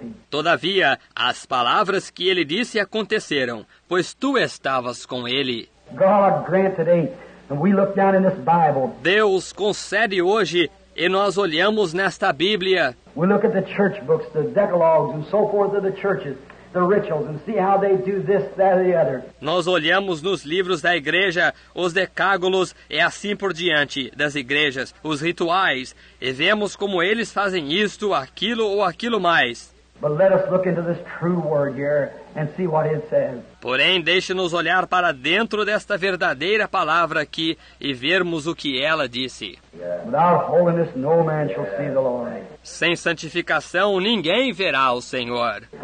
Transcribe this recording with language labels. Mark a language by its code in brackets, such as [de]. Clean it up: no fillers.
[pt] Todavia, as palavras que ele disse aconteceram, pois tu estavas com ele. [en] God grant today, and we look down in this Bible. [pt] Deus concede hoje, e nós olhamos nesta Bíblia. [en] We look at the church books, the decalogues and so forth of the churches. The rituals and see how they do this, that, or the other. [pt] Nós olhamos nos livros da igreja, os decágulos e assim por diante das igrejas, os rituais, e vemos como eles fazem isto, aquilo ou aquilo mais. [en] But let us look into this true word here and see what it says. [pt] Porém, deixe-nos olhar para dentro desta verdadeira palavra aqui e vermos o que ela disse. [en] Yeah. Without holiness, no man shall see the Lord. [pt] Sem santificação, ninguém verá o Senhor.